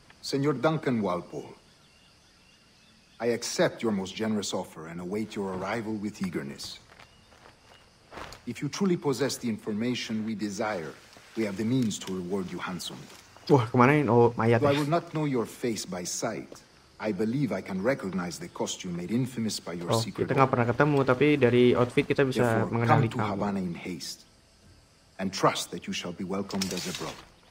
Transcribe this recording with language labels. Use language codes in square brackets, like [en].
[en] Senor Duncan Walpole, I accept your most generous offer and await your arrival with eagerness. If you truly possess the information we desire, we have the means to reward you handsomely. [id] Wah, kemana ini? Oh, mayat. [en] I will not know your face by sight. I believe I can recognize the costume made infamous by your secret. [id] Oh, kita nggak pernah ketemu, tapi dari outfit kita bisa mengenali kamu. [en] Come to Havana in haste, and trust that you shall be welcomed as a brother.